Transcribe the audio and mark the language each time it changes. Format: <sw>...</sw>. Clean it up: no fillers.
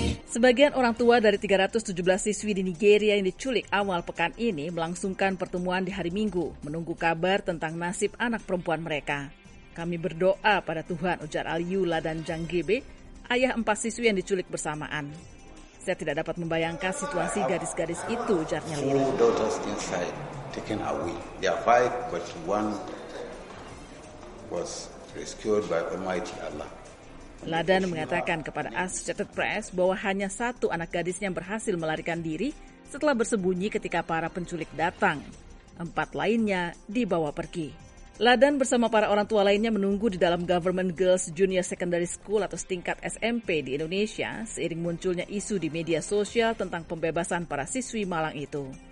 <id>Sebagian orang tua dari 317 siswi di Nigeria yang diculik awal pekan ini melangsungkan pertemuan di hari Minggu, menunggu kabar tentang nasib anak perempuan mereka. Kami berdoa pada Tuhan, ujar Aliyu Ladan Jangebe, ayah empat siswi yang diculik bersamaan. Saya tidak dapat membayangkan situasi gadis-gadis itu, ujarnya lirik.</id> <en>Four daughters inside, taken away. There are five, but one was rescued by Almighty Allah.</en> <id>Ladan mengatakan kepada Associated Press bahwa hanya satu anak gadisnya berhasil melarikan diri setelah bersembunyi ketika para penculik datang. Empat lainnya dibawa pergi. Ladan bersama para orang tua lainnya menunggu di dalam Government Girls Junior Secondary School atau setingkat SMP di Indonesia seiring munculnya isu di media sosial tentang pembebasan para siswi malang itu.</id>